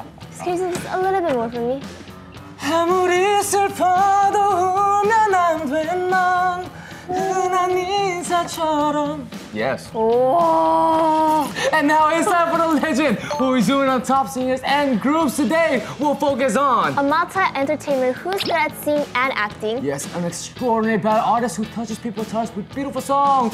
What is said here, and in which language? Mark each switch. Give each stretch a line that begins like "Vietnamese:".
English: Excuse me, just a little bit more for me.
Korean: 아무리 슬퍼도 울면 안 돼 넌 흔한 인사처럼
English: Yes. Oh. And now it's time for the legend who is doing on top singers and groups today. We'll focus on a multi-entertainer who's good at singing and acting. Yes, an extraordinary ballad artist who touches people's hearts with beautiful songs.